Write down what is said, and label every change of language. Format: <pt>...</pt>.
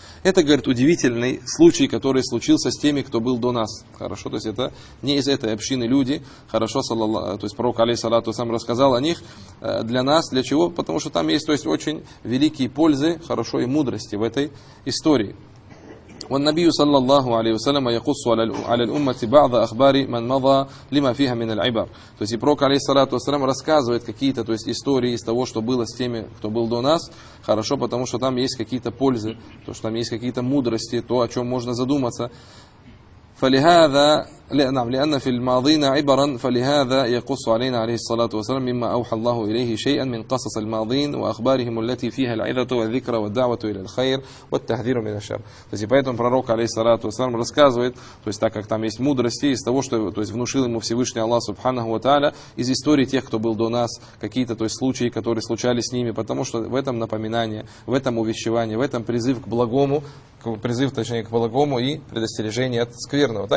<ru>Это, говорит, удивительный случай, который случился с теми, кто был до нас. Хорошо, то есть это не из этой общины люди. Хорошо, то есть пророк, алейхиссалату вассалям, рассказал о них для нас. Для чего? Потому что там есть, то есть очень великие пользы, хорошо, и мудрости в этой истории.</ru> <ar>والنبي صلى الله عليه وسلم يقص على الأمة بعض أخبار من مضى لما فيها من العبر.</ar> <ru>То есть пророк алейхиссалату вассалям рассказывает какие-то, то есть истории из того, что было с теми, кто был до нас. Хорошо, потому что там есть какие-то пользы, то что там есть какие-то мудрости, то о чем можно задуматься.</ru> <ar>فلهذا نعم لأن في الماضين عبرا فلهذا يقص علينا عليه الصلاة والسلام مما أوحى الله إليه شيئا من قصص الماضين وأخبارهم التي فيها العظة والذكر والدعوة إلى الخير والتحذير من الشر.</ar> <ru>То есть поэтому пророк алейхиссалату вассалям рассказывает, то есть так как там есть мудрости из того, что то есть внушил ему Всевышний Аллах Субханаху ва Тааля из истории тех, кто был до нас, какие-то то есть случаи, которые случались с ними, потому что в этом напоминание, в этом увещевание, в этом призыв к благому, призыв, точнее, к благому и предостережение от скверного.</ru>